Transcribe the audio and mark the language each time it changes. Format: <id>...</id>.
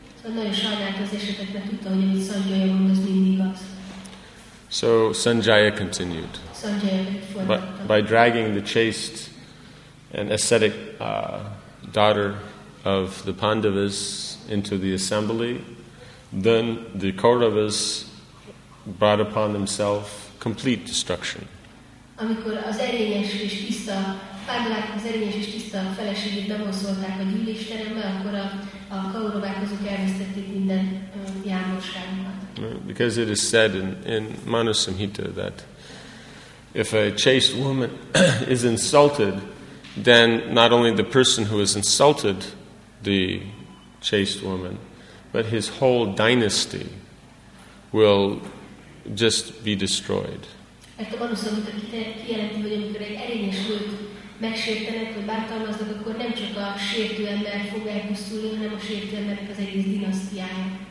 <en>So Sanjaya continued. By dragging the chaste and ascetic daughter of the Pandavas into the assembly, then the Kauravas brought upon themselves complete destruction.</en> <hu>Amikor az erényes és tiszta Pandavák, az erényes és tiszta feleségét bemonszolták a gyűlésterembe, akkor a Kauravák azok elvesztették minden jámborságukat.</hu> <en>Because it is said in Manusamhita that if a chaste woman is insulted, then not only the person who has insulted the chaste woman, but his whole dynasty will just be destroyed.</en> <hu>Ezt a Manusamhita kijelenti, hogy amikor egy erényes hölgyet megsértenek, vagy bántalmaznak, akkor nem csak a sértő ember fog elpusztulni, hanem a sértő embernek az egész dinasztiája.</hu>